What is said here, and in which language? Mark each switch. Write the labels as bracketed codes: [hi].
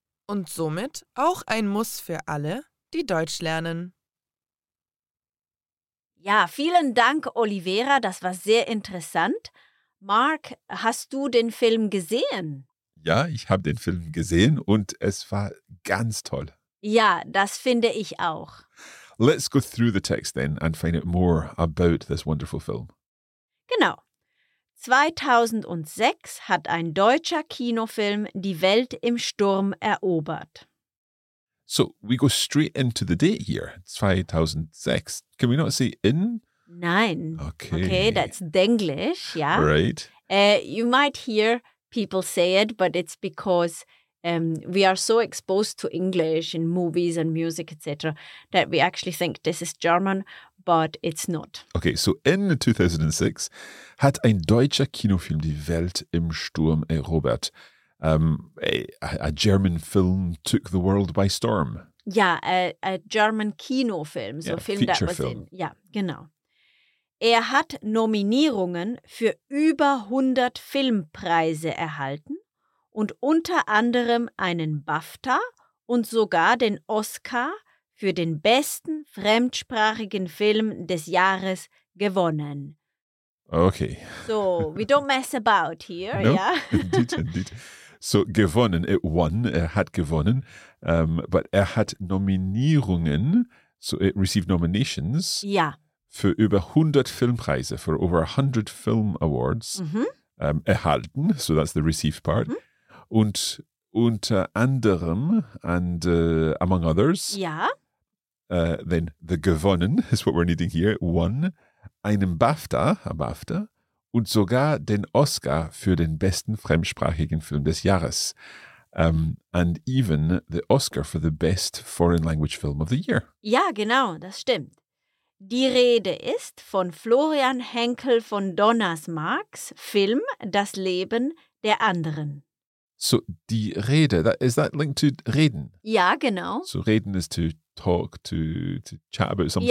[de] und somit auch ein Muss für alle, die Deutsch lernen. Ja, vielen Dank, Oliveira. Das war sehr interessant. Mark, hast du den Film gesehen? Ja, ich habe den Film gesehen und es war ganz toll. Ja, das finde ich auch. [en] Let's go through the text then and find out more about this wonderful film. [de] Genau. 2006 hat ein deutscher Kinofilm die Welt im Sturm erobert. [en] So, we go straight into the date here, 2006. Can we not say in? [de] Nein. [en] Okay, that's Denglish, yeah. Right. You might hear people say it, but it's because we are so exposed to English in movies and music, etc., that we actually think this is German, but it's not. Okay, so in [de] 2006 hat ein deutscher Kinofilm die Welt im Sturm erobert. [en] A German film took the world by storm. Yeah, a German Kino film. So yeah, film feature that was film. In. Yeah, [de] genau. Er hat Nominierungen für über 100 Filmpreise erhalten und unter anderem einen BAFTA und sogar den Oscar für den besten fremdsprachigen Film des Jahres gewonnen. [en] Okay. So, we don't mess about here. No, yeah. Indeed. So, gewonnen, it won, [de] er hat gewonnen, [en] but [de] er hat Nominierungen, [en] so it received nominations. [de] Ja. Für über 100 Filmpreise, [en] for over 100 film awards, mm-hmm. Erhalten, so that's the received part. Mm-hmm. [de] Und unter anderem, [en] and among others. [de] Ja. [en] Then the gewonnen is what we're needing here, won, [de] einen BAFTA, [en] a BAFTA. [de] Und sogar den Oscar für den besten fremdsprachigen Film des Jahres. [en] And even the Oscar for the best foreign language film of the year. [de] Ja, genau, das stimmt. Die Rede ist von Florian Henkel von Donnersmarks Film Das Leben der Anderen. [en] So, [de] die Rede, [en] that, is that linked to reden? [de] Ja, genau. [en] So, reden is to talk, to chat about something.